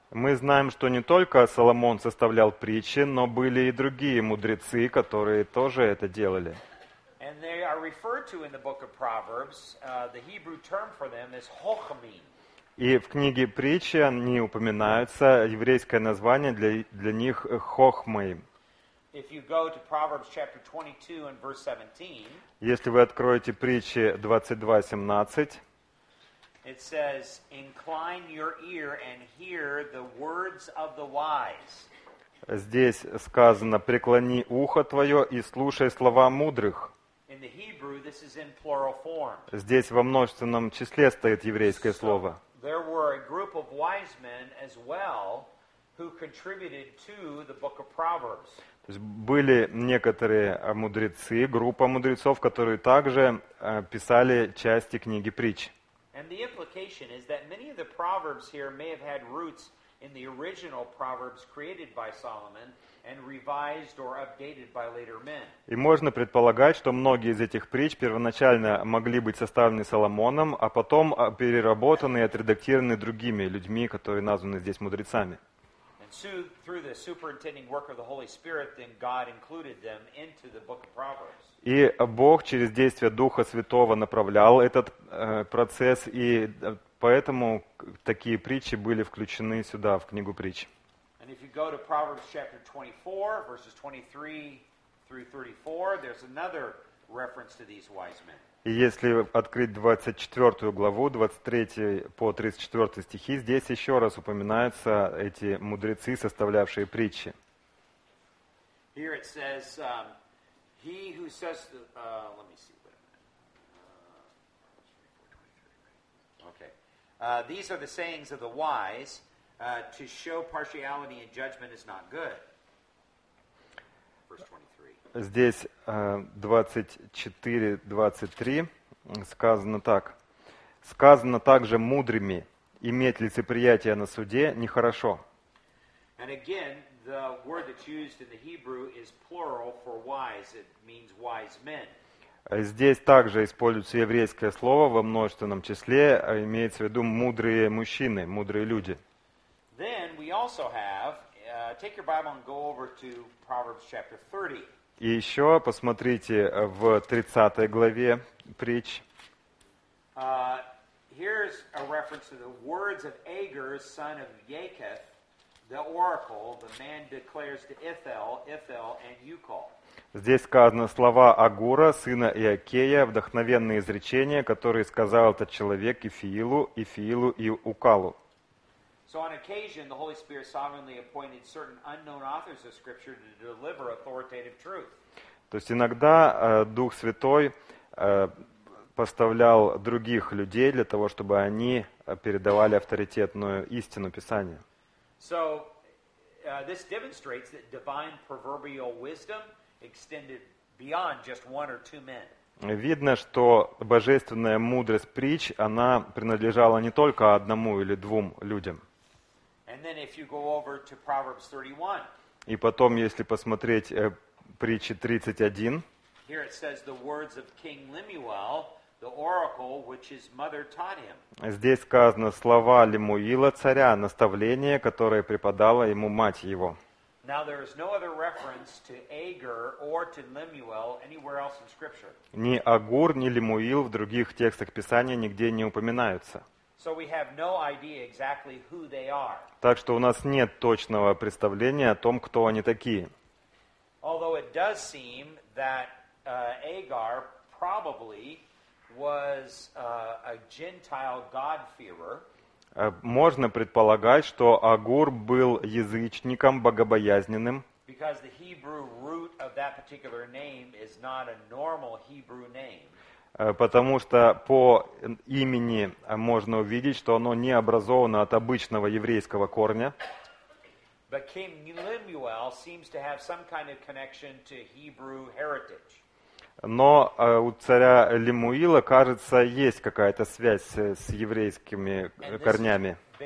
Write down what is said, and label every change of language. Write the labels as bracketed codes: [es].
[ru] Мы знаем, что не только Соломон составлял притчи, но были и другие мудрецы, которые тоже это делали. [en] And they are referred to in the book of Proverbs. The Hebrew term for them is Hochamim. [ru] И в книге притч они упоминаются, еврейское название для них Хохмы. [en] If you go to Proverbs chapter 22 and verse 17. [ru] Если вы откроете притчи 22:17. [en] It says, "Incline your ear and hear the words of the wise." [ru] Здесь сказано: преклони ухо твое и слушай слова мудрых. [en] In the Hebrew, this is in plural form. [ru] Здесь во множественном числе стоит еврейское слово. [en] There were a group of wise men as well who contributed to the book of Proverbs. [ru] То есть были некоторые мудрецы, группа мудрецов, которые также писали части книги притч. [en] And the implication is that many of the proverbs here may have had roots in the original proverbs created by Solomon and revised or updated by later men. [ru] И можно предполагать, что многие из этих притч первоначально могли быть составлены Соломоном, а потом переработаны и отредактированы другими людьми, которые названы здесь мудрецами. [en] And so, through the superintending work of the Holy Spirit, then God included them into the book of Proverbs. [ru] И Бог через действие Духа Святого направлял этот процесс, и поэтому такие притчи были включены сюда, в книгу притч. [en] And if you go to Proverbs chapter 24, verses 23 through 34, there's another reference to these wise men. [ru] И если открыть 24 главу, 23 по 34 стихи, здесь еще раз упоминаются эти мудрецы, составлявшие притчи. [en] Here it says, He who says, let me see. Okay. These are the sayings of the wise. To show partiality in judgment is not good. Verse 23. [ru] Здесь 24-23 сказано так. Сказано также мудрыми, иметь лицеприятие на суде нехорошо. [en] And again, the word that's used in the Hebrew is plural for wise. It means wise men. [ru] Здесь также используется еврейское слово во множественном числе, имеется в виду мудрые мужчины, мудрые люди. [en] Then we also have, take your Bible and go over to Proverbs chapter 30. [ru] И еще посмотрите в 30 главе притч. [en] Here's a reference to the words of Agur, son of Jacob. The oracle, the man declares to Ithel, Ithel and Ucal. [ru] Здесь сказано слова Агура, сына Иакея, вдохновенные изречения, которые сказал этот человек Ифиилу и Укалу. [en] So on occasion, the Holy Spirit sovereignly appointed certain unknown authors of Scripture to deliver authoritative truth. [ru] То есть иногда Дух Святой поставлял других людей для того, чтобы они передавали авторитетную истину Писания. [en] So, this demonstrates that divine proverbial wisdom extended beyond just one or two men. [ru] Видно, что божественная мудрость притч, она принадлежала не только одному или двум людям. [en] And then if you go over to Proverbs 31, [ru] и потом, если посмотреть притчи 31, [en] here it says the words of King Lemuel, the oracle which his mother taught him. [ru] Здесь сказано слова Лемуила, царя, наставление, которое преподала ему мать его. [en] Now there is no other reference to Agur or to Lemuel anywhere else in Scripture. [ru] Ни Агур, ни Лемуил в других текстах Писания нигде не упоминаются. [en] So we have no idea exactly who they are. [ru] Так что у нас нет точного представления о том, кто они такие. [en] Although it does seem that Agur probably was a Gentile God-fearer. [ru] Можно предполагать, что Агур был язычником, богобоязненным. [en] Because the Hebrew root of that particular name is not a normal Hebrew name. [ru] Потому что по имени можно увидеть, что оно не образовано от обычного еврейского корня. [en] But King Lemuel seems to have some kind of connection to Hebrew heritage. [ru] Но у царя Лемуила, кажется, есть какая-то связь с еврейскими корнями.